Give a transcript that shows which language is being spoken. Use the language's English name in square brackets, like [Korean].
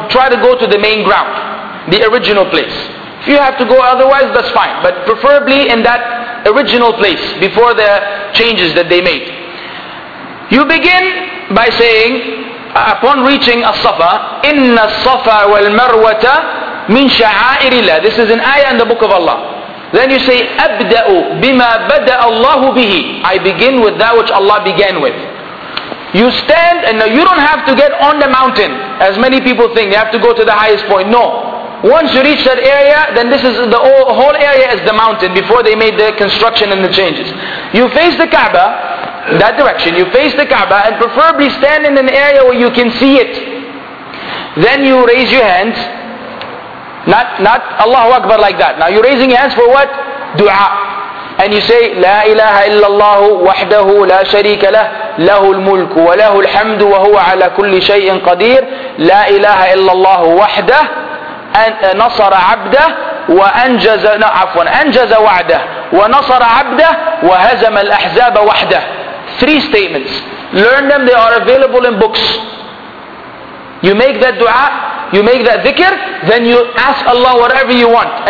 [English] Try to go to the main ground, the original place. If you have to go otherwise, that's fine. But preferably in that original place before the changes that they made. You begin by saying, upon reaching As-Safa, [Arabic] إِنَّ الصَّفَا وَالْمَرْوَةَ مِنْ شَعَائِرِ اللَّهِ. [English] This is an ayah in the book of Allah. Then you say, [Arabic] أَبْدَأُ بِمَا بَدَأَ اللَّهُ بِهِ. [English] I begin with that which Allah began with. You stand, and you don't have to get on the mountain, as many people think, you have to go to the highest point. No. Once you reach that area, then this is the whole area is the mountain before they made the construction and the changes. You face the Kaaba, that direction, you face the Kaaba, and preferably stand in an area where you can see it. Then you raise your hands, not Allahu Akbar like that. Now you're raising your hands for what? Dua. [Arabic] And you say, لا إله إلا الله وحده لا شريك له له الملك وله الحمد وهو على كل شيء قدير لا إله إلا الله وحده نصر عبده وأنجز أنجز وعده ونصر عبده وهزم الأحزاب وحده. [English] Three statements. Learn them, they are available in books. You make that dua, you make that dhikr, then you ask Allah whatever you want.